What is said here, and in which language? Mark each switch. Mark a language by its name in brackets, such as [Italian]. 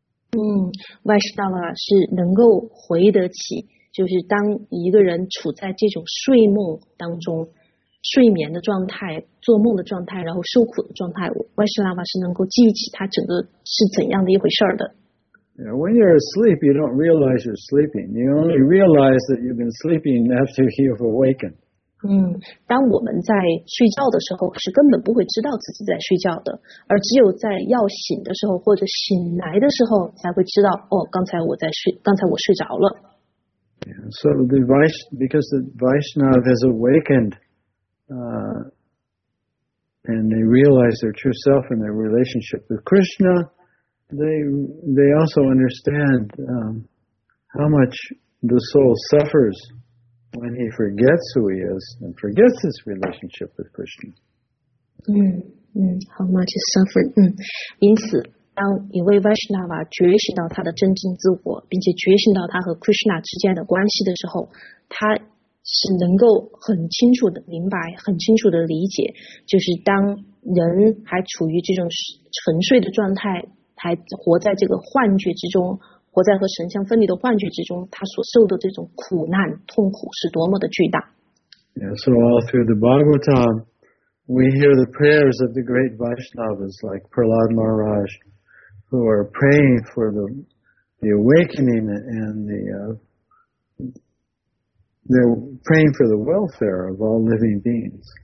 [Chinese] Vaishnava 是能够回得起，就是当一个人处在这种睡梦当中，睡眠的状态，做梦的状态，然后受苦的状态，Vaishnava 是能够记起他整个是怎样的一回事的。 [English] When you're asleep, you don't realize you're sleeping. You only realize that you've been sleeping after you've awakened. [Chinese] 当我们在睡觉的时候，是根本不会知道自己在睡觉的，而只有在要醒的时候或者醒来的时候，才会知道哦，刚才我睡着了。 [English] So the because the Vaishnava has awakened, and they realize their true self and their relationship with Krishna, they also understand how much the soul suffers when he forgets who he is and forgets his relationship with Krishna. How much he suffered. [Chinese] 因此当一位 Vaishnava 觉醒到他的真正自我，并且觉醒到他和 Krishna 之间的关系的时候，他是能够很清楚的明白，很清楚的理解，就是当人还处于这种沉睡的状态，还活在这个幻觉之中，活在和神相分离的幻觉之中，他所受的这种苦难痛苦是多么的巨大。 [English] Yeah, so all through the Bhagavatam, we hear the prayers of the great Vaishnavas like Prahlad Maharaj, who are praying for the awakening and they're praying for the welfare of all living beings.